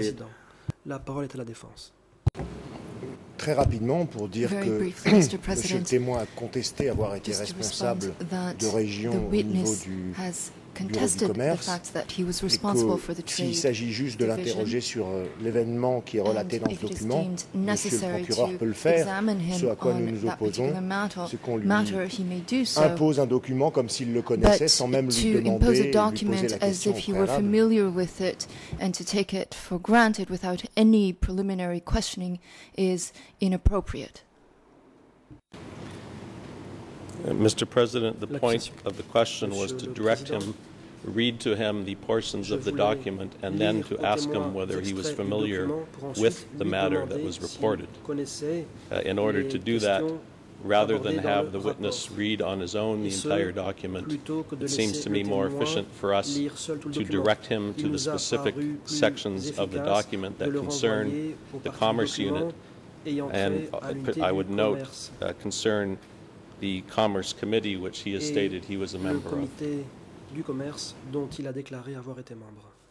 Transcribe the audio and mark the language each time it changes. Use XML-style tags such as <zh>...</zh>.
<fr>Le président, la parole est à la défense. Très rapidement, pour dire</fr> <en>very</en> <fr>que</fr> <en>briefly,</en> <fr>le témoin a contesté avoir été responsable de régions au niveau du</fr> <en>contested the fact that he was responsible for the trade division.</en> <fr>S'il s'agit juste de l'interroger sur l'événement qui est relaté dans le document, monsieur le procureur peut le faire, ce à quoi nous nous opposons, c'est qu'on lui impose un document comme s'il le connaissait sans même lui demander et lui poser la question au préalable.</fr> <en>And to take it for granted without any preliminary questioning is inappropriate. Mr. President, the point of the question was to direct him, read to him the portions of the document, and then to ask him whether he was familiar with the matter that was reported. In order to do that, rather than have the witness read on his own the entire document, it seems to me more efficient for us to direct him to the specific sections of the document that concern the Commerce Unit, and I would note concern the Commerce Committee, which he has stated he was a member of.</en> <fr>Du commerce dont il a déclaré avoir été membre.</fr>